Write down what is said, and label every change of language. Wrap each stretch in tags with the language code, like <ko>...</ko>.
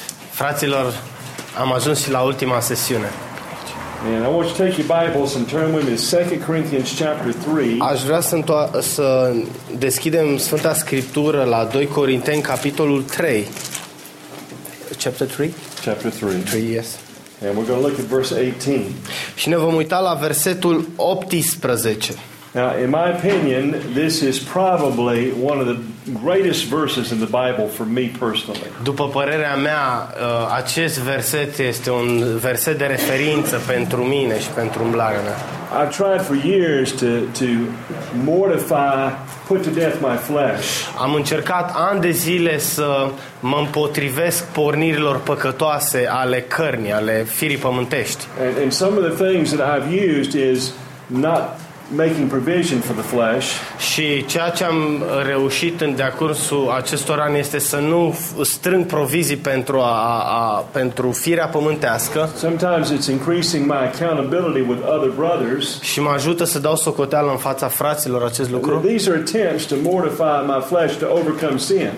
<ro>Fraților, am ajuns la ultima sesiune.</ro> <en>And I want you to take your Bibles and turn with me to 2 Corinthians chapter 3.</en> <ro>Aș vrea să deschidem Sfânta Scriptură la 2 Corinteni capitolul 3.</ro> <en>Chapter 3. And we're going to look at verse 18.</en> <ro>Și ne vom uita la versetul 18.</ro> <en>Now, in my opinion, this is probably one of the greatest verses in the Bible for me personally.</en> <ro>După părerea mea, acest verset este un verset de referință pentru mine și pentru umblarea mea.</ro> <en>I've tried for years to mortify, put to death my flesh.</en> <ro>Am încercat ani de zile să mă împotrivesc pornirilor păcătoase ale cărnii, ale firii pământești.</ro> <en>And some of the things that I've used is not making provision for the flesh.</en> <ro>Și ceea ce am reușit în decursul acestor ani este să nu strâng provizii pentru firea pământească.</ro> <en>Sometimes it's increasing my accountability with other brothers.</en> <ro>Și mă ajută să dau socoteală în fața fraților acest lucru.</ro> <en>These are attempts to mortify my flesh to overcome sin.</en>